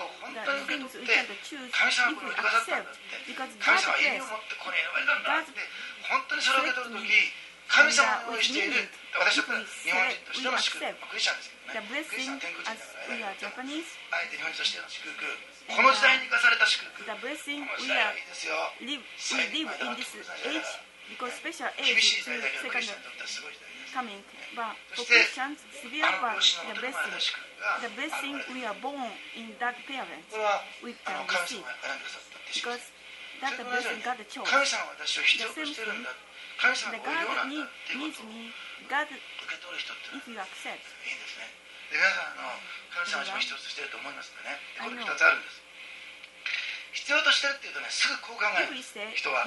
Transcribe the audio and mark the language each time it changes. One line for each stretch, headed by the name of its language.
English: The things we can't choose, if we accept, because God says, God selected me.
Japanese: 神様が用意している、私たちは日本人としての祝福、クリスチャンですけどね、クリスチャン天国人ではないけど、あえて日本人としての祝福、この時代に生かされた祝福、この時代はいいですよ。
English: We live in this age, because special age to second coming.
Japanese: 厳しい時代だけど、クリスチャンにとってはすごい時代です。
English: クリスチャン、severe, but the blessing, the blessing we are born in that parent, we can receive.
Japanese: これは神様が選んでくださったって祝福。神様は私を必要としてるんだ。
English: God needs me. God, if you accept,
Japanese: で皆さんの神様は必要としていると思いますのでね、これ2つあるんです。必要としてるっていうとね、すぐこう考える人は、